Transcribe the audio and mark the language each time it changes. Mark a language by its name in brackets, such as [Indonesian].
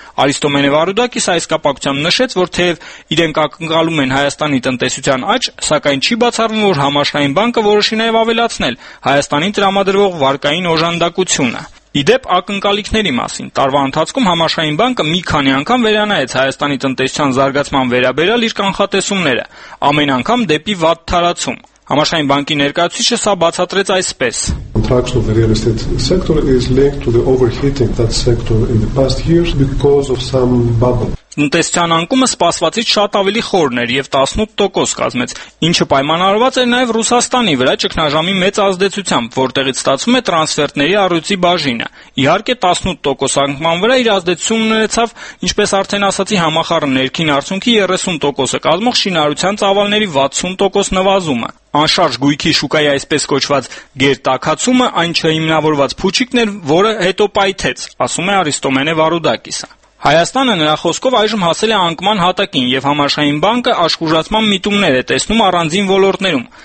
[Armenian] Արիստո Մենևարուդակիս այս կապակցությամբ նշեց, որ թեև իրենք ակնկալում են Հայաստանի տնտեսության աճ, սակայն չի բացառվում, որ Համաշխարհային բանկը որոշի նաև ավելացնել Հայաստանին տրամադրվող վարկային օժանդակությունը։ Իդեպ ակնկալիքների մասին, տարվա ընթացքում Համաշխարհային բանկը մի քանի անգամ վերանայեց Հայաստանի տնտեսության զարգացման վերաբերյալ իր կանխատեսումները, ամեն անգամ դեպի վատ տարածում։ Համաշխարհային բանկի ներկայացուցիչը սա բացատրեց այսպես. [English] Contraction of the real estate sector is linked to the overheating that sector in the past years because of some bubble. [Armenian] Տնտեսության անկումը սպասվածից շատ ավելի խորն էր եւ 18% կազմեց, ինչը պայմանավորված էր նաեւ Ռուսաստանի վրա ճգնաժամի մեծ ազդեցությամբ, որտեղից ստացվում է տրանսֆերտների առյուծի բաժինը։ Իհարկե 18% անկման վրա իր ազդեցությունն ունեցավ, ինչպես արդեն ասացի, համախառն ներքին արդյունքի 30% կազմող շինարարության ծավալների 60% նվազումը։ Անշարժ գույքի շուկայի այսպես կոչված գերտակացումը այն չհիմնավորված փուչիկն էր, որը հետո պայթեց, ասում է Արիստո Մենևարուդակիսը։ Հայաստանը նրա խոսքով այժմ հասել է անկման հատակին և Համաշխարհային բանկը աշխուժացման միտումներ է տեսնում առանձին ոլորտներում։